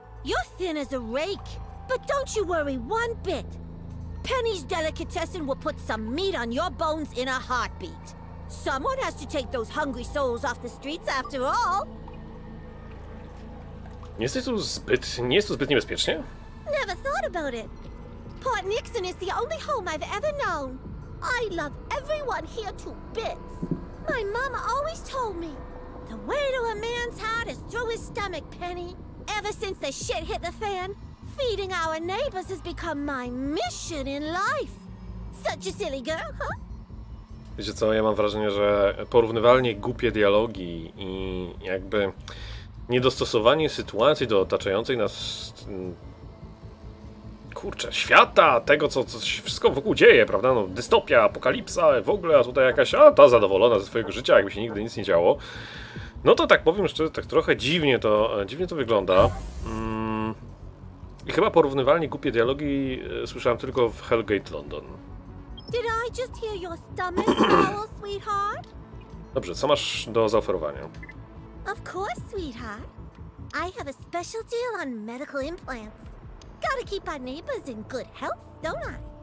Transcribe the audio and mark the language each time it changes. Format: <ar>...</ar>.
<en>You're thin as a rake, but don't you worry one bit. Penny's delicatessen will put some meat on your bones in a heartbeat. Someone has to take those hungry souls off the streets after all.</en> <pl>Nie jest tu zbyt niebezpiecznie?</pl> <en>Never thought about it. Port Nixon is the only home I've ever known. I love everyone here to bits. My mama always told me, the way to a man's heart is through his stomach, Penny. Ever since the shit hit the fan, feeding our neighbors has become my mission in life. Such a silly girl, huh?</en> <pl>Wiecie co, ja mam wrażenie, że porównywalnie głupie dialogi i jakby niedostosowanie sytuacji do otaczającej nas... Kurczę, świata, tego co wszystko wokół dzieje, prawda? No, dystopia, apokalipsa, w ogóle, a tutaj jakaś, a ta zadowolona ze swojego życia, jakby się nigdy nic nie działo. No to tak powiem szczerze, tak trochę dziwnie to wygląda. I chyba porównywalnie głupie dialogi słyszałem tylko w Hellgate London.</pl> <en>Did I just hear your stomach growl, sweetheart?</en> <pl>Dobrze, co masz do zaoferowania?</pl> <en>Of course, sweetheart. I have a special deal on medical implants. Gotta keep our neighbors in good health, don't I?</en>